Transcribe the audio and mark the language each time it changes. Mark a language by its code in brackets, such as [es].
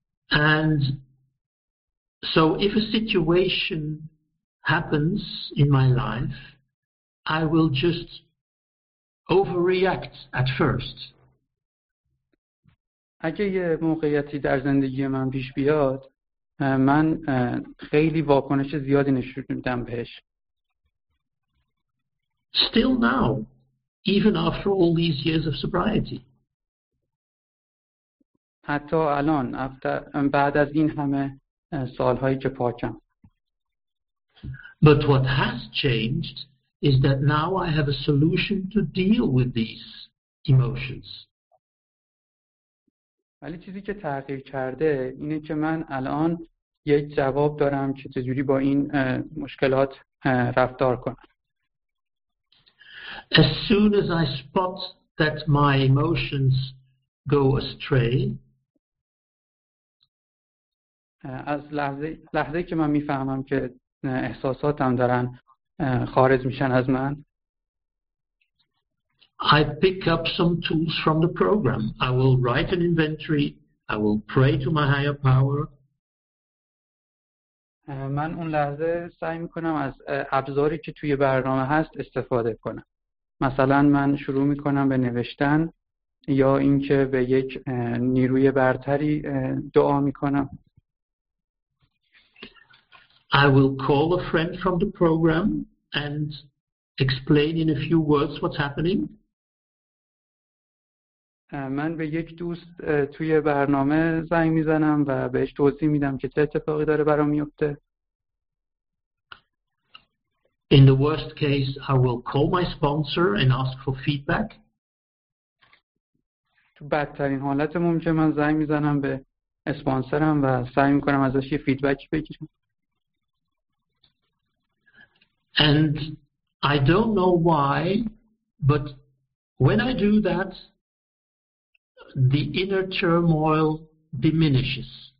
[en] And so if a situation happens in my life, I will just overreact at first. [fa] اگه یه موقعیتی در زندگی من پیش بیاد، من خیلی واکنش زیادی نشون میدم بهش. [en] Still now, even after all these years of sobriety. [fa] حتی الان بعد از این همه سالهایی که پاکم. [en] But what has changed is that now I have a solution to deal with these emotions. [fa] ولی چیزی که تغییر کرده اینه که من الان یک جواب دارم که چجوری با این مشکلات رفتار کنم. [en] As soon as I spot that my emotions go astray, [fa] از لحظه که من میفهمم که احساساتم دارن خارج میشن از من، [en] I pick up some tools from the program. I will write an inventory. I will pray to my higher power. [fa] من اون لحظه سعی میکنم از ابزاری که توی برنامه هست استفاده کنم. مثلا من شروع میکنم به نوشتن یا اینکه به یک نیروی برتری دعا میکنم. [en] I will call a friend from the program and explain in a few words what's happening. [fa] من به یک دوست توی برنامه زنگ میزنم و بهش توضیح میدم که چه اتفاقی داره برام میفته. [en] In the worst case, I will call my sponsor and ask for feedback. [fa] تو بدترین حالت ممکن من زنگ میزنم به اسپانسرم و سعی میکنم ازش یه فیدبک بگیرم. [en] And I don't know why, but when I do that, the inner turmoil diminishes.